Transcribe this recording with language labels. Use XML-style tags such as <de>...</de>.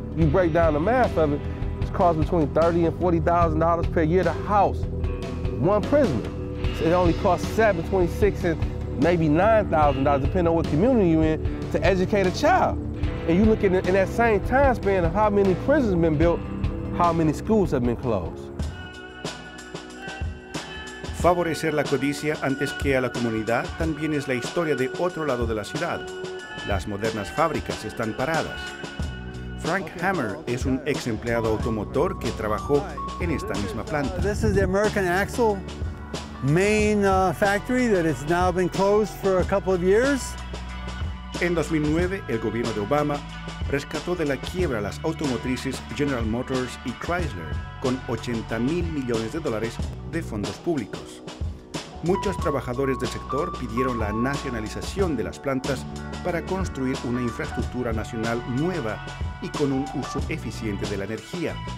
<en>You break down the math of it, it costs between $30,000 and $40,000 per year to house one prisoner. It only costs $7,000, $26,000, and maybe $9,000, depending on what community you're in, to educate a child. And you look at in that same time span of how many prisons have been built, how many schools have been closed.</en> <es>Favorecer la codicia antes que a la comunidad también es la historia de otro lado de la ciudad. Las modernas fábricas están paradas. Frank Hammer es un ex empleado automotor que trabajó en esta misma planta.</es> <en>This is the American Axle main factory that has now been closed for a couple of years.</en> <es>En 2009, el gobierno de Obama rescató de la quiebra las automotrices General Motors y Chrysler con $80,000 millones de fondos públicos. Muchos trabajadores del sector pidieron la nacionalización de las plantas para construir una infraestructura nacional nueva y con un uso eficiente de la energía.</es>